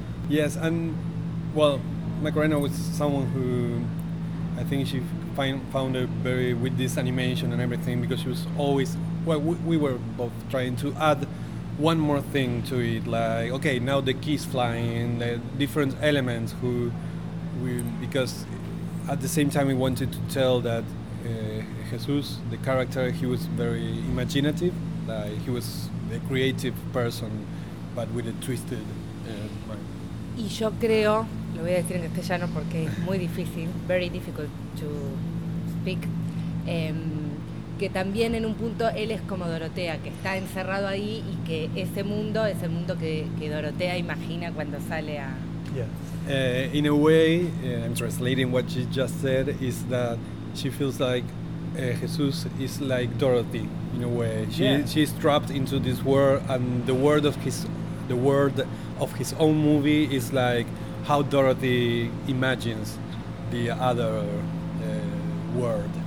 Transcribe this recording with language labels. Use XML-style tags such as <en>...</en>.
<en>Yes, and well, Macarena was someone who I think she found a very, with this animation and everything, because she was always, well, we were both trying to add one more thing to it, like, okay, now the keys flying, the different elements because at the same time we wanted to tell that Jesus, the character, he was very imaginative, like he was a creative person. But with a twisted mind.</en> <es>Y yo creo, lo voy a decir en castellano porque es muy difícil,</es> <en>very difficult to speak,</en> <es>que también en un punto él es como Dorotea, que está encerrado ahí y que ese mundo es el mundo que Dorotea imagina cuando sale a...</es> <en>Yeah. In a way, I'm translating what she just said, is that she feels like Jesus is like Dorothy, in a way. She's trapped into this world, and the word of his own movie is like how Dorothy imagines the other world.</en>